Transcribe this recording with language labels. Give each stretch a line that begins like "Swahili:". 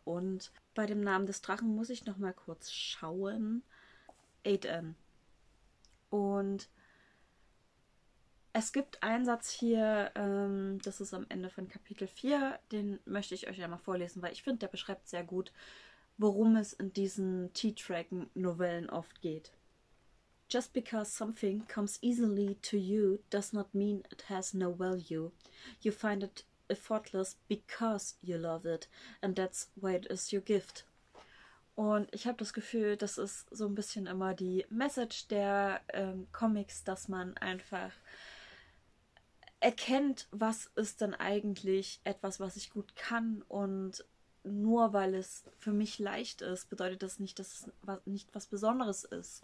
German: Und bei dem Namen des Drachen muss ich noch mal kurz schauen. Aiden. Und es gibt einen Satz hier, das ist am Ende von Kapitel 4, den möchte ich euch ja mal vorlesen, weil ich finde, der beschreibt sehr gut, worum es in diesen T-Dragon-Novellen oft geht.
English: Just because something comes easily to you does not mean it has no value. You find it effortless because you love it and that's why it is your gift.
German: Und ich habe das Gefühl, das ist so ein bisschen immer die Message der Comics, dass man einfach erkennt, was ist denn eigentlich etwas, was ich gut kann. Und nur weil es für mich leicht ist, bedeutet das nicht, dass es nicht was Besonderes ist.